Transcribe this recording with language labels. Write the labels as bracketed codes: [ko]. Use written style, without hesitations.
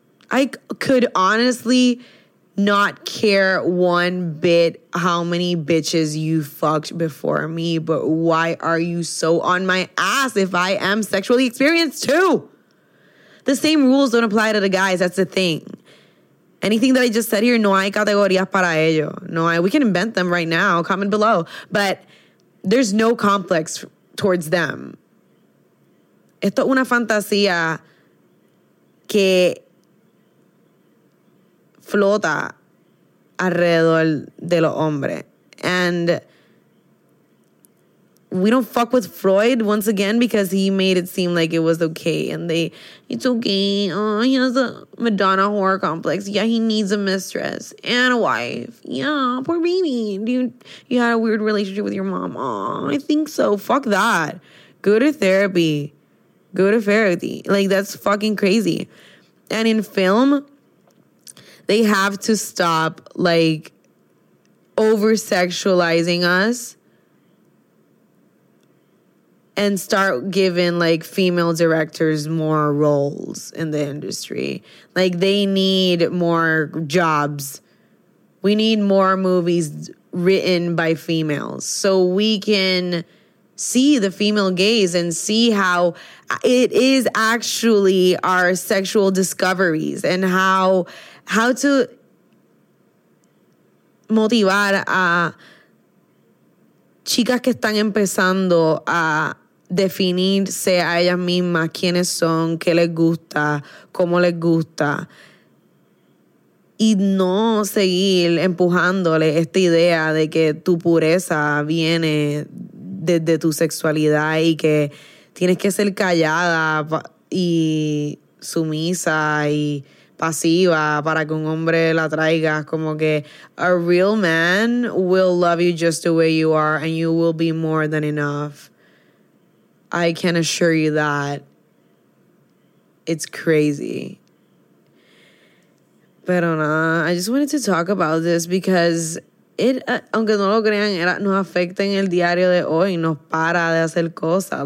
[en] I could honestly not care one bit how many bitches you fucked before me, but why are you so on my ass if I am sexually experienced too? The same rules don't apply to the guys. That's the thing. Anything that I just said here, [es] no hay categorías para ello. No hay. [en] We can invent them right now. Comment below. But there's no complex towards them. [es] Esto es una fantasía que flota alrededor de los hombres. [en] And we don't fuck with Freud once again because he made it seem like it was okay. And it's okay. Oh, he has a Madonna horror complex. Yeah, he needs a mistress and a wife. Yeah, poor baby. You had a weird relationship with your mom. Oh, I think so. Fuck that. Go to therapy. Go to therapy. Like, that's fucking crazy. And in film, they have to stop, like, over-sexualizing us. And start giving, like, female directors more roles in the industry. Like, they need more jobs. We need more movies written by females. So we can see the female gaze and see how it is actually our sexual discoveries. And how to [es] motivar a chicas que están empezando a definirse a ellas mismas quiénes son, qué les gusta, cómo les gusta, y no seguir empujándole esta idea de que tu pureza viene desde tu sexualidad y que tienes que ser callada y sumisa y pasiva para que un hombre la traiga. Como que [en] a real man will love you just the way you are and you will be more than enough. I can assure you that it's crazy. [es] Pero nada, [en] I just wanted to talk about this because it, [es] aunque no lo crean, nos afecta en el diario de hoy, nos para de hacer cosas.